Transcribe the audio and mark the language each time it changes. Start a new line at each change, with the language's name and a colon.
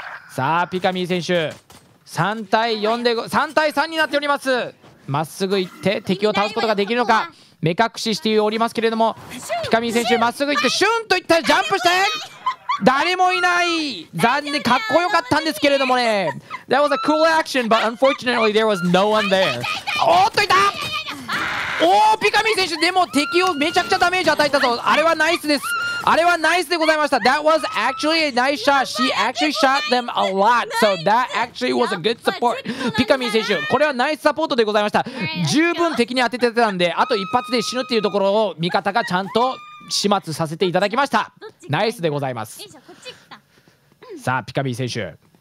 Japanese: さあ、ピカミ選手、3対3になっております。まっすぐ行って敵を倒すことができるのか、目隠ししておりますけれども、ピカミー選手まっすぐ行ってシュンといったらジャンプして、誰もいない、残念、かっこよかったんですけれどもね。
English: That was a cool action but unfortunately there was no one there。
Japanese: おっといた、おー、ピカミー選手でも敵をめちゃくちゃダメージ与えたぞ。あれはナイスです、あれはナイスでございました。
English: That was actually a nice shot. She actually shot them a lot. So that actually was a good support.
Japanese: ピカミー選手、これはナイスサポートでございました。十分敵に当ててたんで、あと一発で死ぬっていうところを味方がちゃんと始末させていただきました。ナイスでございます。さあ、ピカミー選手。